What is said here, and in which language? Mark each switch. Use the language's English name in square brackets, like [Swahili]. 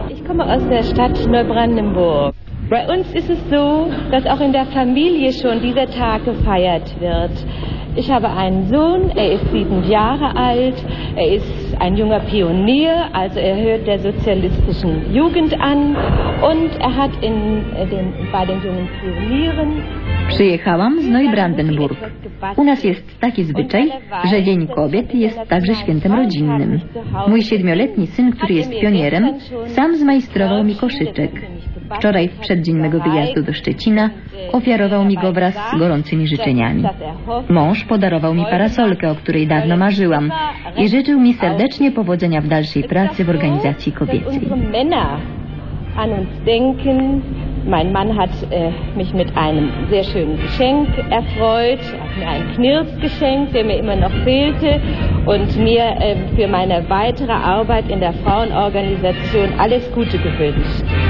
[German] Ich komme aus der Stadt Neubrandenburg. Bei uns ist es so, dass auch in der Familie schon dieser Tag gefeiert wird. Ich habe einen Sohn, er ist 7 Jahre alt, er ist ein junger Pionier, also er hört der sozialistischen Jugend an und er hat bei den jungen Pionieren... [Polish] Przyjechałam z Neubrandenburg. U nas jest taki zwyczaj, że Dzień Kobiet jest także świętem rodzinnym. Mój 7-letni syn, który jest pionierem, sam zmajstrował mi koszyczek. Wczoraj, w przeddzień mego wyjazdu do Szczecina, ofiarował mi go wraz z gorącymi życzeniami. Mąż podarował mi parasolkę, o której dawno marzyłam i życzył mi serdecznie powodzenia w dalszej pracy w organizacji kobiecej. [German] An uns denken. Mein Mann hat mich mit einem sehr schönen Geschenk erfreut, ein Knirpsgeschenk, der mir immer noch fehlte und mir für meine weitere Arbeit in der Frauenorganisation alles Gute gewünscht.